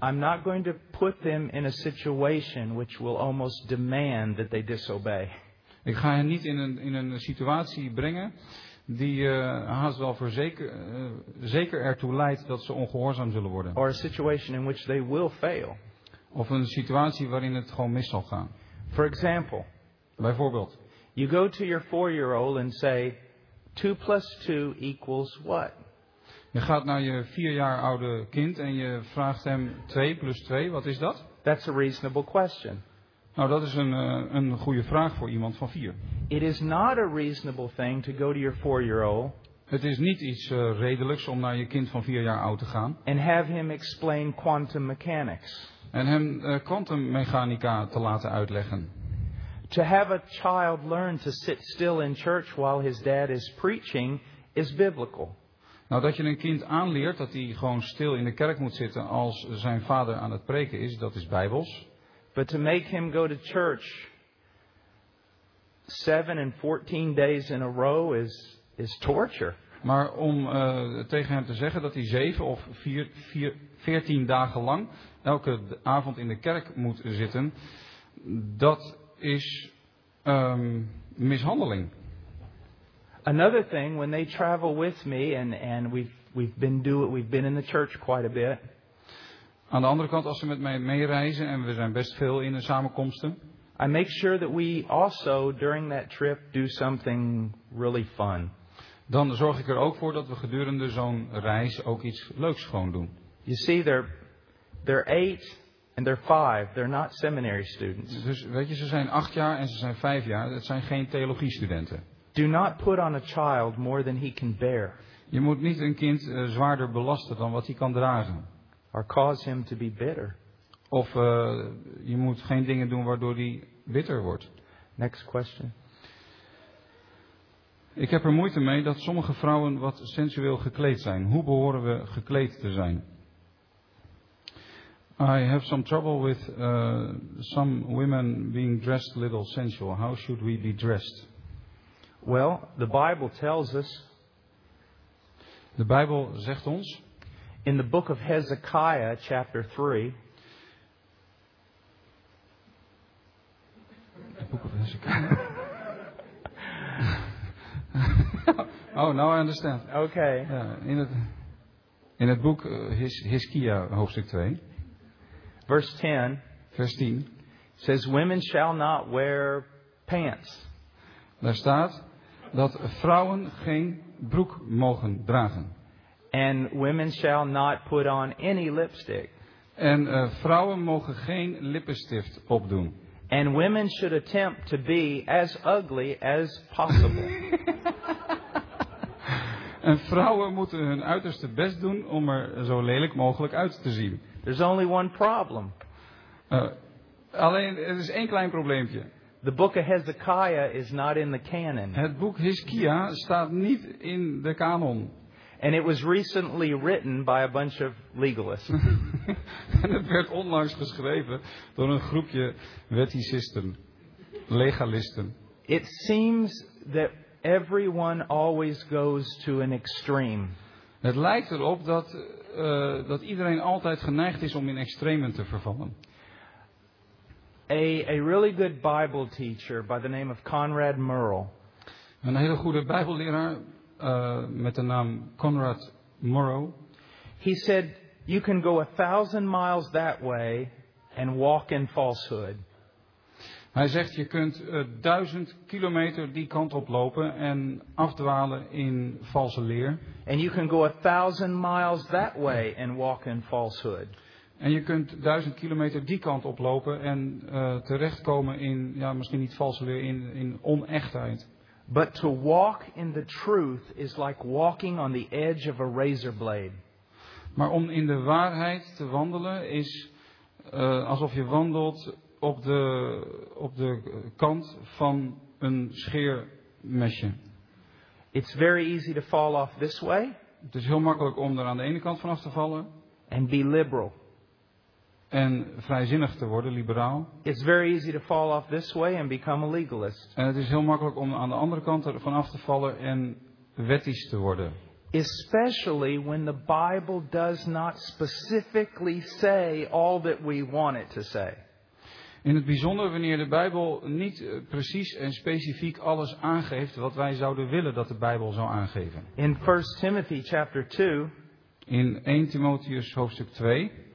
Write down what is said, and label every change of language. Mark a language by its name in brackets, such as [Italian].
[English] I'm not going to put them in a situation which will almost demand that they disobey. [Dutch] Ik ga hen niet in een situatie brengen die haast wel voor zeker ertoe leidt dat ze ongehoorzaam zullen worden. [English] Or a situation in which they will fail. [Dutch] Of een situatie waarin het gewoon mis zal gaan. [English] For example. [Dutch] Bijvoorbeeld. [English] You go to your 4-year-old and say, 2 plus 2 equals what? [Dutch] Je gaat naar je 4 jaar oude kind en je vraagt hem 2 plus 2, wat is dat? [English] That's a reasonable question. [Dutch] Nou, dat is een goede vraag voor iemand van 4. [English] It is not a reasonable thing to go to your 4-year-old. [Dutch] Het is niet iets redelijks om naar je kind van 4 jaar oud te gaan. [English] And have him explain quantum mechanics. [Dutch] En hem kwantummechanica te laten uitleggen. [English] To have a child learn to sit still in church while his dad is preaching is biblical. [Dutch] Nou, dat je een kind aanleert dat hij gewoon stil in de kerk moet zitten als zijn vader aan het preken is, dat is bijbels. [English] But to make him go to church 7 and 14 days in a row is torture. [Dutch] Maar om tegen hem te zeggen dat hij 7 of 14 dagen lang elke avond in de kerk moet zitten, dat is mishandeling. [English] Another thing, when they travel with me and we've been in the church quite a bit. [Dutch] Aan de andere kant, als ze met mij meereizen en we zijn best veel in de samenkomsten. [English] I make sure that we also during that trip do something really fun. [Dutch] Dan zorg ik er ook voor dat we gedurende zo'n reis ook iets leuks gewoon doen. [English] You see, they're 8. And they're 5. They're not seminary students. [Dutch] Dus weet je, ze zijn 8 jaar en ze zijn 5 jaar. Het zijn geen theologiestudenten. [English] Do not put on a child more than he can bear. [Dutch] Je moet niet een kind zwaarder belasten dan wat hij kan dragen. [English] Or cause him to be bitter. [Dutch] Of je moet geen dingen doen waardoor hij bitter wordt. [English] Next question. [Dutch] Ik heb er moeite mee dat sommige vrouwen wat sensueel gekleed zijn. Hoe behoren we gekleed te zijn? [English] I have some trouble with some women being dressed a little sensual. How should we be dressed? Well, the Bible tells us. [Dutch] De Bijbel zegt ons. [English] In the book of Hezekiah, chapter 3. The book of Hezekiah. Oh, now I understand. Okay. [Dutch] In het boek Hezekiah, hoofdstuk 2. [English] Verse 10 says, women shall not wear pants. [Dutch] Daar staat dat vrouwen geen broek mogen dragen. [English] And women shall not put on any lipstick. [Dutch] En vrouwen mogen geen lippenstift opdoen. [English] And women should attempt to be as ugly as possible. [Dutch] En vrouwen moeten hun uiterste best doen om er zo lelijk mogelijk uit te zien. [English] There's only one problem. [Dutch] Alleen, er is één klein probleempje. [English] The book of Hezekiah is not in the canon. [Dutch] Het boek Hezekiah staat niet in de kanon. [English] And it was recently written by a bunch of legalists. [Dutch] En het werd onlangs geschreven door een groepje wetticisten, legalisten. [English] It seems that everyone always goes to an extreme. [Dutch] Het lijkt erop dat, dat iedereen altijd geneigd is om in extremen te vervallen. [English] A really good Bible teacher by the name of Conrad Murrell. [Dutch] Een hele goede Bijbelleraar met de naam Conrad Murrell. [English] He said, "You can go 1,000 miles that way and walk in falsehood." [Dutch] Hij zegt, je kunt 1,000 kilometer die kant op lopen en afdwalen in valse leer. [English] And you can go 1,000 miles that way and walk in falsehood. [Dutch] En je kunt 1,000 kilometer die kant oplopen en terechtkomen in, ja, misschien niet valse leer, in onechtheid. [English] But to walk in the truth is like walking on the edge of a razor blade. [Dutch] Maar om in de waarheid te wandelen is alsof je wandelt op de kant van een scheermesje. [English] It's very easy to fall off this way. [Dutch] Het is heel makkelijk om er aan de ene kant vanaf te vallen. [English] And be liberal. [Dutch] En vrijzinnig te worden, liberaal. [English] It's very easy to fall off this way and become a legalist. [Dutch] En het is heel makkelijk om aan de andere kant ervan af te vallen en wettisch te worden. [English] Especially when the Bible does not specifically say all that we want it to say. [Dutch] In het bijzonder wanneer de Bijbel niet precies en specifiek alles aangeeft wat wij zouden willen dat de Bijbel zou aangeven. [English] In 1 Timothy chapter 2. [Dutch] In 1 Timotheus hoofdstuk 2.